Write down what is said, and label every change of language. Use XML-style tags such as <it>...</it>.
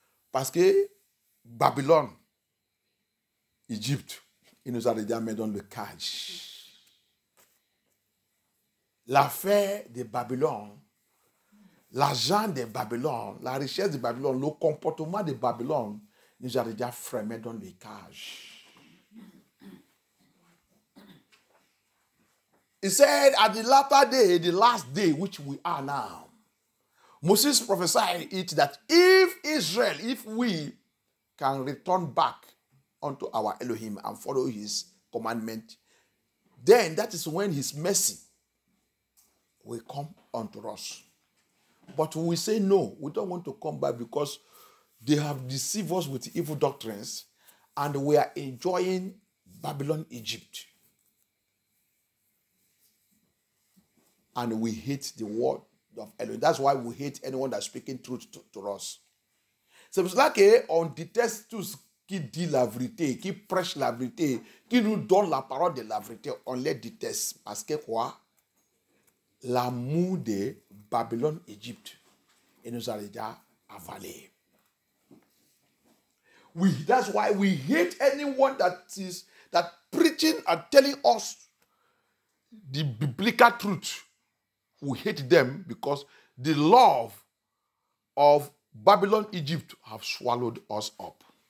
<fr>Parce que Babylone, Égypte, il nous a déjà mis dans le cage. L'affaire de Babylone, l'argent de Babylone, la richesse de Babylone, le comportement de Babylone, il nous a déjà fermé dans le cage.</fr> <en>He said, at the latter day, the last day which we are now, Moses prophesied it that if Israel, if we can return back unto our Elohim and follow his commandment, then that is when his mercy will come unto us. But we say no, we don't want to come back because they have deceived us with evil doctrines and we are enjoying Babylon, Egypt. And we hate the word of Elohim. That's why we hate anyone that's speaking truth to us. So it's like</en> <fr>on déteste tous qui dit la vérité, qui prêche la vérité, qui nous donne la parole de la vérité, on les déteste. Parce que quoi? L'amour de Babylone, Égypte, il nous a déjà avalé.</fr> <en>That's why we hate anyone that preaching and telling us the biblical truth. We hate them because the love of Babylon, Egypt have swallowed us up.</en>